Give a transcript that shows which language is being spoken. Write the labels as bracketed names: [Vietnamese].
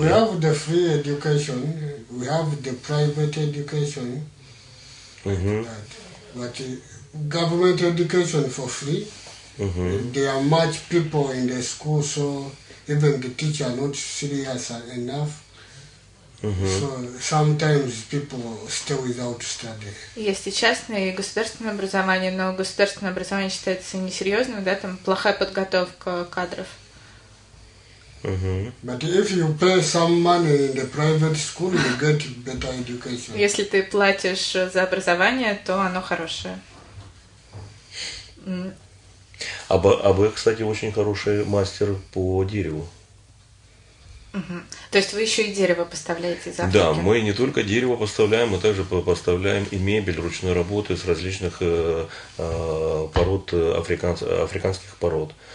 [English] We yeah? have the free education. We have the private education. Mm-hmm. But government education for free. Mm-hmm. There are much people in the school, so even the teacher are not serious enough. Mm-hmm. So sometimes people stay without study. [Russian] Есть и частное, и государственное образование, но государственное образование считается несерьезным, да, там плохая подготовка кадров. Mm-hmm. [English] But if you pay some money in the private school, you get better education. [Russian] Если ты платишь за образование, то оно хорошее. АБ, кстати, очень хороший мастер по дереву. То есть вы еще и дерево поставляете из Африки? Да, мы не только дерево поставляем, мы также поставляем и мебель ручной работы с различных пород, африканских пород.